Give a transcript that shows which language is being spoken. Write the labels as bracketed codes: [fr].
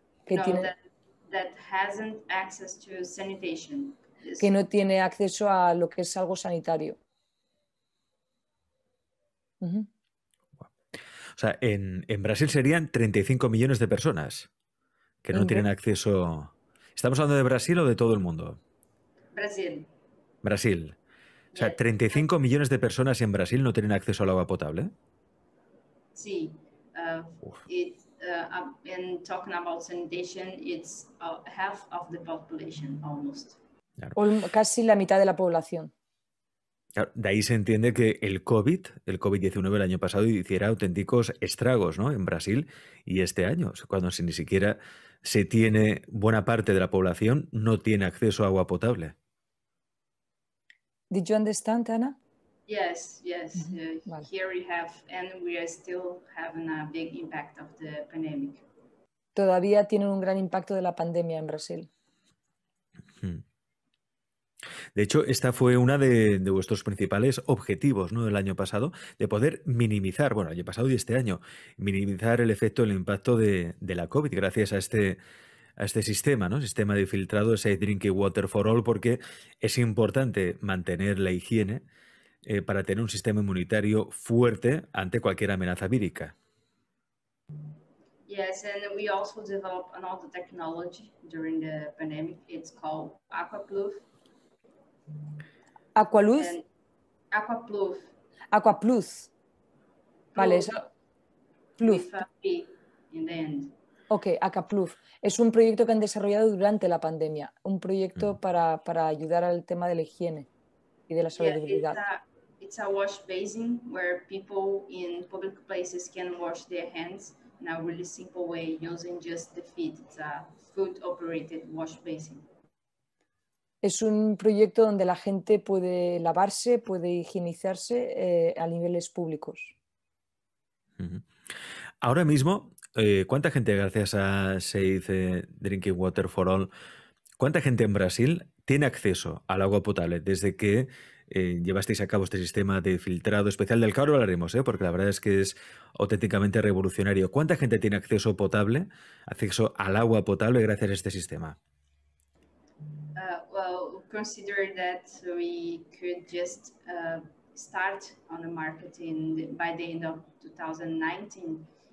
[es] Que no, tienen, [en] that hasn't access to sanitation. [es] Que no tiene acceso a lo que es algo sanitario. Uh-huh. O sea, en Brasil serían 35 millones de personas que no tienen acceso. ¿Estamos hablando de Brasil o de todo el mundo? Brasil. Brasil. O sea, 35 millones de personas en Brasil no tienen acceso al agua potable. Sí. [en] And talking about sanitation, it's half of the population almost. [es] Claro. Casi la mitad de la población. Claro, de ahí se entiende que el COVID-19 el año pasado hiciera auténticos estragos, ¿no?, en Brasil y este año, cuando ni siquiera se tiene buena parte de la población no tiene acceso a agua potable. [en] Did you understand, Ana? Yes, yes. Mm-hmm. [es] Vale. [en] Here we have, and we are still having a big impact of the pandemic. [es] Todavía tienen un gran impacto de la pandemia en Brasil. De hecho, esta fue una de vuestros principales objetivos, ¿no?, del año pasado, de poder minimizar, bueno, el año pasado y este año, minimizar el efecto, el impacto de la COVID gracias a este sistema, ¿no? Sistema de filtrado, ese Drinking Water for All, porque es importante mantener la higiene para tener un sistema inmunitario fuerte ante cualquier amenaza vírica. [en] Yes, and we also developed another technology during the pandemic. It's called AquaPluf. [es] ¿Aqualuz? AquaPluf. AquaPluf. Vale, eso. [en] Pluf. In the end. Ok, AquaPluf. [es] Es un proyecto que han desarrollado durante la pandemia. Un proyecto para ayudar al tema de la higiene y de la solidaridad. [en] It's a wash basin where people in public places can wash their hands in a really simple way using just the feet. It's a foot operated wash basin. [es] Es un proyecto donde la gente puede lavarse, puede higienizarse a niveles públicos. Ahora mismo, ¿cuánta gente, gracias a Safe Drinking Water for All, cuánta gente en Brasil tiene acceso al agua potable desde que llevasteis a cabo este sistema de filtrado especial del que ahora hablaremos, porque la verdad es que es auténticamente revolucionario? ¿Cuánta gente tiene acceso potable, acceso al agua potable gracias a este sistema? [en] Consider that we could just start on the market by the end of 2019.